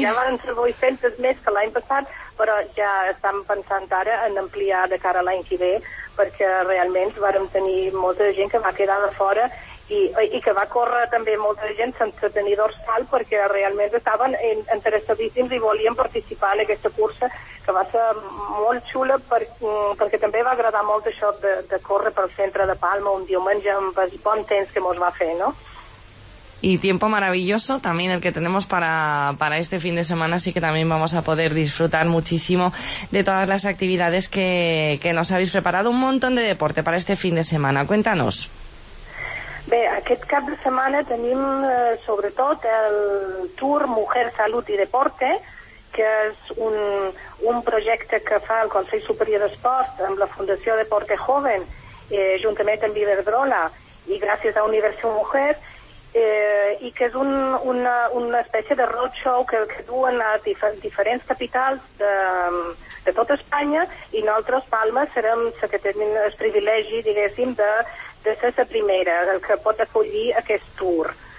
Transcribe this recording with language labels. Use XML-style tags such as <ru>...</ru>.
<ca>Ja van ser 800 més que l'any passat, però ja estem pensant ara en ampliar de cara a l'any que ve, perquè realment vàrem tenir molta gent que va quedar de fora i que va córrer també molta gent sense tenir dorsal, perquè realment estaven interessadíssims i volien participar en aquesta cursa, que va ser molt xula perquè també va agradar molt això de córrer pel centre de Palma un diumenge amb el bon temps que mos va fer, no?</ca> <es>Y tiempo maravilloso también el que tenemos para este fin de semana, así que también vamos a poder disfrutar muchísimo de todas las actividades que nos habéis preparado, un montón de deporte para este fin de semana. Cuéntanos.</es> <ca>Bé, aquest cap de setmana tenim sobretot el Tour Mujer, Salut i Deporte, que és un projecte que fa el Consell Superior d'Esport amb la Fundació Deporte Joven, juntament amb Iberdrola i gràcies a Universo Mujer, i que és una espècie de roadshow que duen a diferents capitals de tot Espanya, i nosaltres, Palma, serem els que tenim el privilegi, diguéssim, de ser la primera, el que pot acollir aquest tour.</ca>